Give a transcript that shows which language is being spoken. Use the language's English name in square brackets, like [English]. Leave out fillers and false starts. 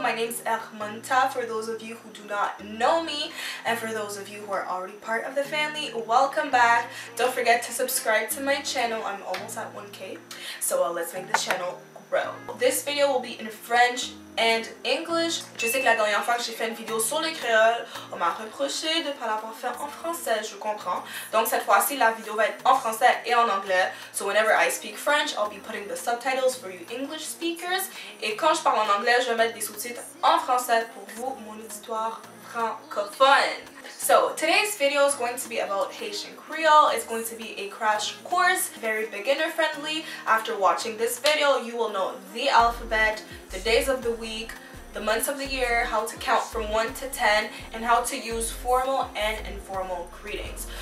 [English] My name is Hermantha, for those of you who do not know me, and for those of you who are already part of the family, welcome back. Don't forget to subscribe to my channel. I'm almost at 1k, so let's make this channel grow. This video will be in French and English. [French] Je sais que la dernière fois que j'ai fait une vidéo sur le créole, on m'a reproché de ne pas l'avoir fait en français, je comprends. Donc cette fois-ci, la vidéo va être en français et en anglais. [English] So whenever I speak French, I'll be putting the subtitles for you English speakers. [French] Et quand je parle en anglais, je vais mettre des sous-titres en français pour vous, mon auditoire francophone. [English] So today's video is going to be about Haitian Creole. It's going to be a crash course, very beginner friendly. After watching this video, you will know the alphabet, the days of the week, the months of the year, how to count from 1 to 10, and how to use formal and informal greetings.